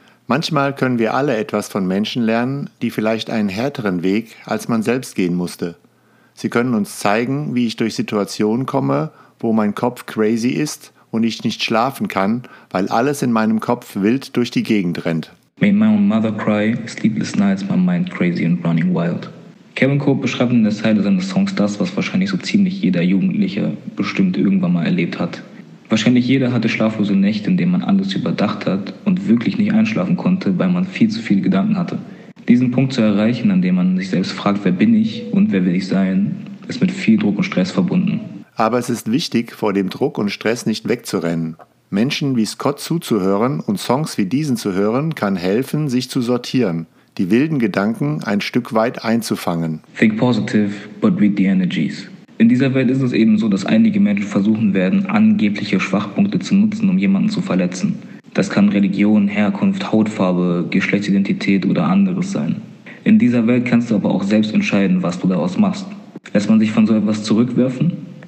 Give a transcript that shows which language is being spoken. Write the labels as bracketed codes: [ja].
[de] Manchmal können wir alle etwas von Menschen lernen, die vielleicht einen härteren Weg als man selbst gehen musste. Sie können uns zeigen, wie ich durch Situationen komme, wo mein Kopf crazy ist und ich nicht schlafen kann, weil alles in meinem Kopf wild durch die Gegend rennt. [en] Made my own mother cry, sleepless nights, my mind crazy and running wild. [de] Kevin Cope beschreibt in der Zeile seines Songs das, was wahrscheinlich so ziemlich jeder Jugendliche bestimmt irgendwann mal erlebt hat. Wahrscheinlich jeder hatte schlaflose Nächte, in denen man alles überdacht hat und wirklich nicht einschlafen konnte, weil man viel zu viele Gedanken hatte. Diesen Punkt zu erreichen, an dem man sich selbst fragt, wer bin ich und wer will ich sein, ist mit viel Druck und Stress verbunden. Aber es ist wichtig, vor dem Druck und Stress nicht wegzurennen. Menschen wie Scott zuzuhören und Songs wie diesen zu hören, kann helfen, sich zu sortieren, die wilden Gedanken ein Stück weit einzufangen. [en] Think positive, but read the energies. [de] In dieser Welt ist es eben so, dass einige Menschen versuchen werden, angebliche Schwachpunkte zu nutzen, um jemanden zu verletzen. Das kann Religion, Herkunft, Hautfarbe, Geschlechtsidentität oder anderes sein. In dieser Welt kannst du aber auch selbst entscheiden, was du daraus machst. Lässt man sich von so etwas zurückwerfen?